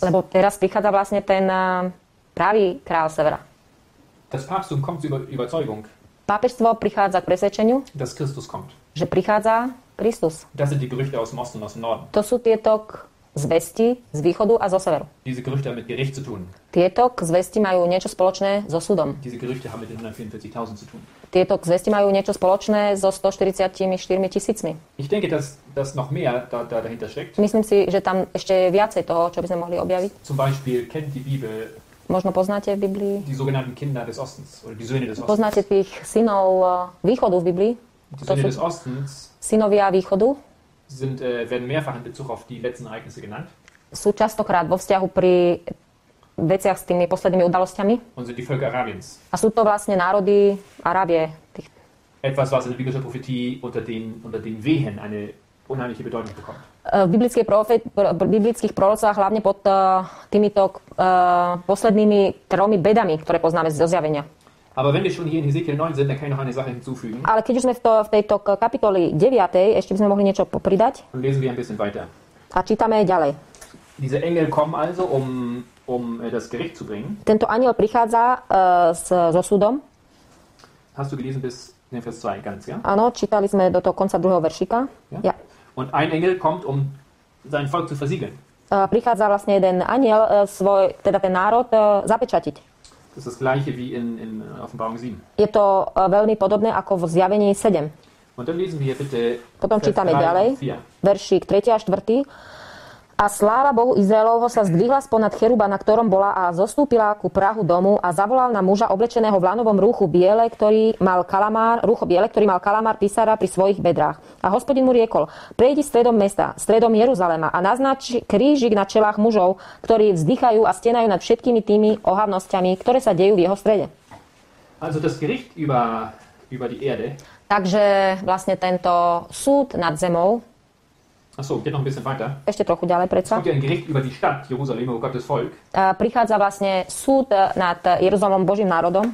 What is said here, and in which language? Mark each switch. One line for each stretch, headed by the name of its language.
Slovak: Lebo teraz prichádza vlastne ten pravý král severa.
German: Das Papsttum kommt zur Überzeugung.
Slovak: Pápežstvo prichádza k presvedčeniu.
German: Dass Christus kommt.
Slovak: Že prichádza Kristus.
German: Das sind die Gerüchte aus dem Osten und aus dem Norden.
Slovak: To sú tieto zvesti z východu a zo severu.
German: Diese Gerüchte haben mit Gericht zu tun.
Slovak: Tieto zvesti majú niečo spoločné so súdom.
German: Diese Gerüchte haben mit den 144.000 zu tun.
Slovak: Tieto zvesti majú niečo spoločné so 144 tisícmi.
German: Ich denke, dass noch mehr da dahinter steckt.
Slovak: Myslím si, že tam ešte je viacej toho, čo by sme mohli objaviť.
German: Zum Beispiel kennt die Bibel.
Slovak: Možno poznáte v Biblii.
German: Die sogenannten Kinder des Ostens oder die Söhne des Ostens.
Slovak: Poznáte tých synov východu v Biblii?
German: Die Söhne des Ostens.
Slovak: Synovia východu.
German: Sind werden mehrfach in Bezug auf die letzten Ereignisse genannt.
Slovak: Sú častokrát vo vzťahu pri veciach s tými poslednými udalosťami.
German: Und sind die Völker Arabiens.
Slovak: A sú to vlastne národy Arábie.
German: Etwas, was in der biblischen Prophetie unter den Wehen eine unheimliche Bedeutung bekommt.
Slovak: V biblických prorocách hlavne pod týmito poslednými tromi bedami, ktoré poznáme zo zjavenia.
German: Aber wenn wir schon hier in Ezechiel 9 sind, dann kann ich noch eine Sache hinzufügen.
Slovak: Ale keď už sme v tejto kapitole 9. ešte by sme mohli niečo pridať.
German: Und lesen wir ein bisschen weiter.
Slovak: A čítame ďalej.
German: Diese Engel kommen also, um das Gericht zu bringen.
Slovak: Tento anjel prichádza so súdom.
German: Hast du gelesen bis den Vers 2 ganz, ja?
Slovak: Áno, čítali sme do toho konca druhého veršika.
German: Ja? Ja. Und ein Engel kommt, um sein Volk zu versiegeln.
Slovak: Prichádza vlastne jeden anjel, teda ten národ zapečatiť.
German: Das ist das gleiche wie in Offenbarung 7.
Slovak: Je to veľmi podobné ako v Zjavení 7.
German: Und dann lesen wir bitte.
Slovak: Potom čítame ďalej. Veršik 3. a 4. A sláva Bohu Izraelovho sa zdvihla sponad cheruba, na ktorom bola, a zostúpila ku prahu domu a zavolal na muža oblečeného v lanovom rúchu biele, ktorý mal kalamár, rúcho biele, ktorý mal kalamár pisára pri svojich bedrách. A Hospodin mu riekol: "Prejdi stredom mesta, stredom Jeruzalema a naznač krížik na čelách mužov, ktorí vzdychajú a stenajú nad všetkými tými ohavnosťami, ktoré sa dejú v jeho strede."
German: Also das Gericht über die Erde.
Slovak: Takže vlastne tento súd nad zemou.
German: Achso, geht noch ein bisschen weiter.
Slovak: Ešte trochu ďalej predsa.
German: Es kommt ein Gericht über die Stadt Jerusalem, über Gottes Volk.
Slovak: Prichádza vlastne súd nad Jeruzalemom, Božím národom.